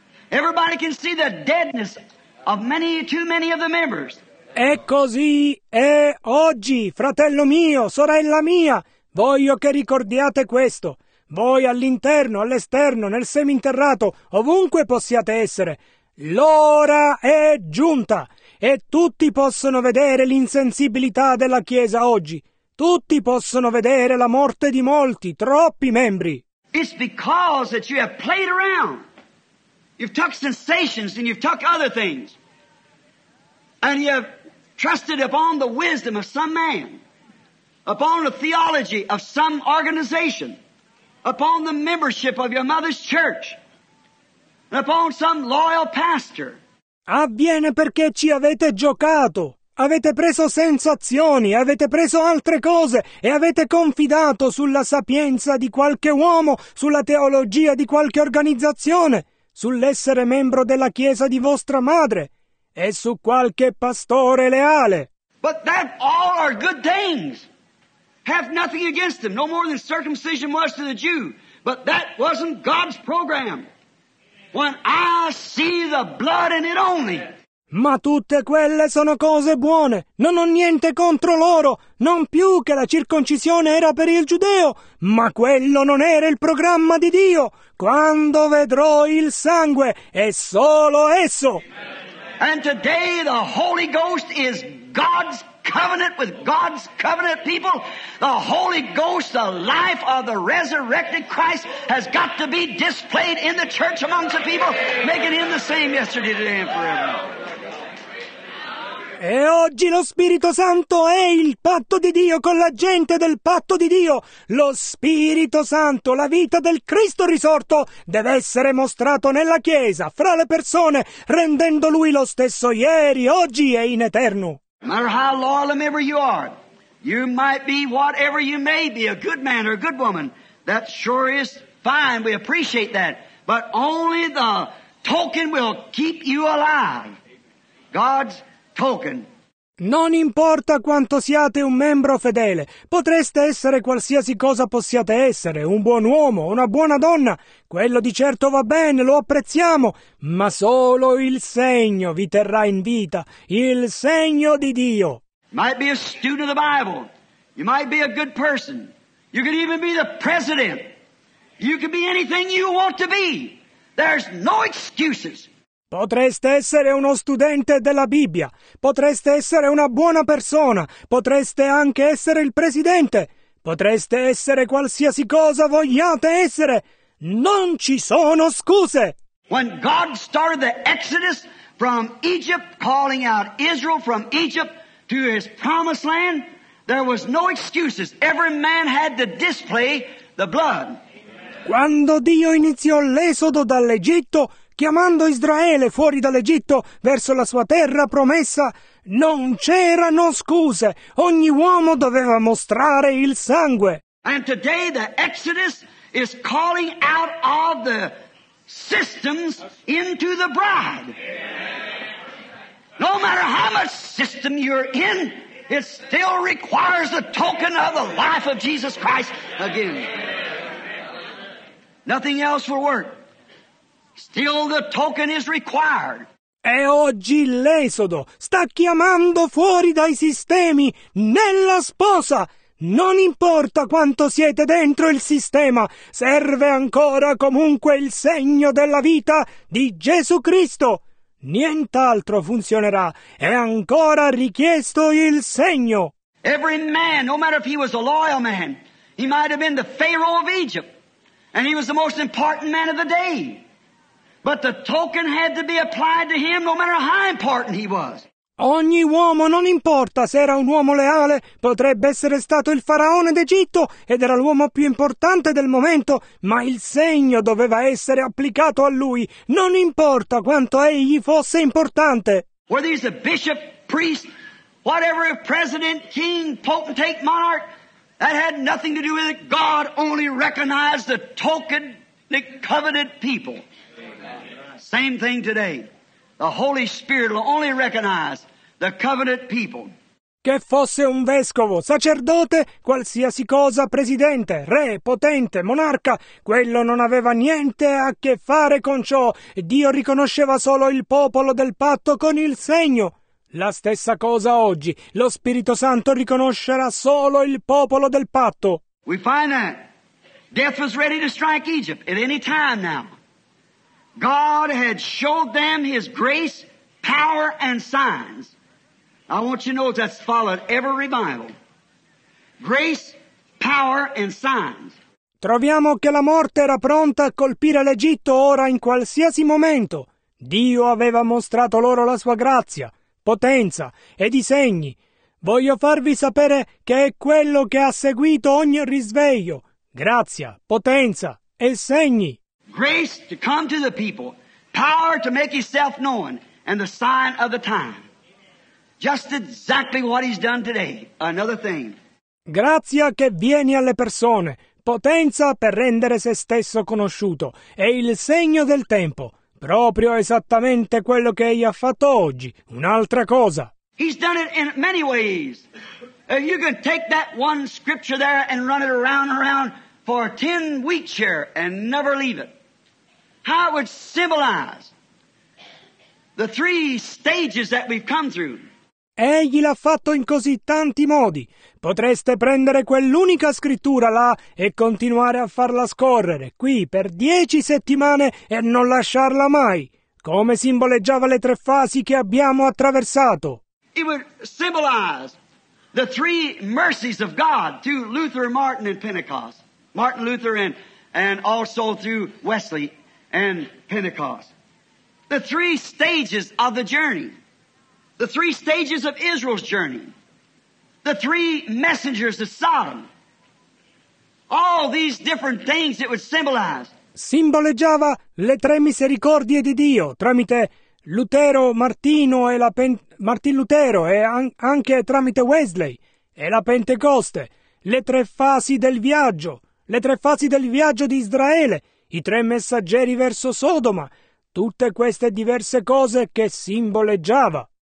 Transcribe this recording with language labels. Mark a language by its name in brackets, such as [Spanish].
[English] Everybody can see the deadness of many, too many of the members. [Italian] E così è oggi, fratello mio, sorella mia. Voglio che ricordiate questo. Voi all'interno, all'esterno, nel seminterrato, ovunque possiate essere, l'ora è giunta e tutti possono vedere l'insensibilità della Chiesa oggi. Tutti possono vedere la morte di molti, troppi membri. [English] It's because that you have played around. You've talked sensations and you've talked other things. And you have trusted upon the wisdom of some man, upon the theology of some organization, upon the membership of your mother's church, and upon some loyal pastor. [Italian] Avviene perché ci avete giocato. Avete preso sensazioni, avete preso altre cose e avete confidato sulla sapienza di qualche uomo, sulla teologia di qualche organizzazione, sull'essere membro della chiesa di vostra madre e su qualche pastore leale. [English] But that all are good things. Have nothing against them, no more than circumcision was to the Jew. But that wasn't God's program. When I see the blood in it only. [Italian] Ma tutte quelle sono cose buone, non ho niente contro loro, non più che la circoncisione era per il giudeo, ma quello non era il programma di Dio. Quando vedrò il sangue e solo esso. [English] And today the Holy Ghost is God's covenant with God's covenant people. The Holy Ghost, the life of the resurrected Christ, has got to be displayed in the church amongst the people, making him the same yesterday, today, and forever. [Italian] E oggi lo Spirito Santo è il patto di Dio con la gente del patto di Dio. Lo Spirito Santo, la vita del Cristo risorto, deve essere mostrato nella Chiesa, fra le persone, rendendo Lui lo stesso ieri, oggi e in eterno. [English] No matter how loyal a member you are, you might be whatever you may be, a good man or a good woman. That sure is fine, we appreciate that. But only the token will keep you alive. God's token. [Italian] Non importa quanto siate un membro fedele, potreste essere qualsiasi cosa possiate essere, un buon uomo, una buona donna, quello di certo va bene, lo apprezziamo, ma solo il segno vi terrà in vita, il segno di Dio. [English] Might be a student of the Bible, you might be a good person, you could even be the president, you could be anything you want to be, there's no excuses. [Italian] Potreste essere uno studente della Bibbia, potreste essere una buona persona, potreste anche essere il presidente, potreste essere qualsiasi cosa vogliate essere, non ci sono scuse! [English] When God started the Exodus from Egypt, calling out Israel from Egypt to his promised land, there was no excuses. Every man had to display the blood. [Italian] Quando Dio iniziò l'esodo dall'Egitto, chiamando Israele fuori dall'Egitto verso la sua terra promessa, non c'erano scuse. Ogni uomo doveva mostrare il sangue. [English] And today the Exodus is calling out of the systems into the bride. No matter how much system you're in, it still requires the token of the life of Jesus Christ again. Nothing else will work. Still the token is required. [Italian] E oggi l'esodo sta chiamando fuori dai sistemi nella sposa. Non importa quanto siete dentro il sistema, serve ancora comunque il segno della vita di Gesù Cristo. Nient'altro funzionerà. È ancora richiesto il segno. [English] Every man, no matter if he was a loyal man, he might have been the Pharaoh of Egypt, and he was the most important man of the day. But the token had to be applied to him no matter how important he was. [Italian] Ogni uomo, non importa se era un uomo leale, potrebbe essere stato il faraone d'Egitto ed era l'uomo più importante del momento, ma il segno doveva essere applicato a lui, non importa quanto egli fosse importante. [English] Whether he's a bishop, priest, whatever, president, king, potentate, monarch, that had nothing to do with it. God only recognized the token, the covenant people. Same thing today. The Holy Spirit will only recognize the covenant people. [Italian] Che fosse un vescovo, sacerdote, qualsiasi cosa, presidente, re, potente, monarca, quello non aveva niente a che fare con ciò. Dio riconosceva solo il popolo del patto con il segno. La stessa cosa oggi. Lo Spirito Santo riconoscerà solo il popolo del patto. [English] We find that death was ready to strike Egypt at any time now. God had showed them his grace, power, and signs. I want you to know that's followed every revival. Grace, power, and signs. [Italian] Troviamo che la morte era pronta a colpire l'Egitto ora in qualsiasi momento. Dio aveva mostrato loro la sua grazia, potenza ed i segni. Voglio farvi sapere che è quello che ha seguito ogni risveglio. Grazia, potenza e segni. [English] Grace to come to the people, power to make himself known, and the sign of the time. Just exactly what he's done today. Another thing. [Italian] Grazia che viene alle persone, potenza per rendere se stesso conosciuto, e il segno del tempo. Proprio esattamente quello che egli ha fatto oggi. Un'altra cosa. [English] He's done it in many ways. If you can take that one scripture there and run it around and around for 10 weeks here and never leave it. How it would symbolize the three stages that we've come through. [Italian] Egli l'ha fatto in così tanti modi. Potreste prendere quell'unica scrittura là e continuare a farla scorrere qui per 10 settimane e non lasciarla mai. Come simboleggiava le tre fasi che abbiamo attraversato? [English] It would symbolize the three mercies of God to Luther, Martin and Pentecost. Martin Luther and also through Wesley and Pentecost. The three stages of the journey. The three stages of Israel's journey. The three messengers of Sodom. All these different things it would symbolize. [Italian] Simboleggiava le tre misericordie di Dio tramite Lutero, Martino e la Martin Lutero e anche tramite Wesley e la Pentecoste, le tre fasi del viaggio, le tre fasi del viaggio di Israele, i tre messaggeri verso Sodoma, tutte queste diverse cose che simboleggiava.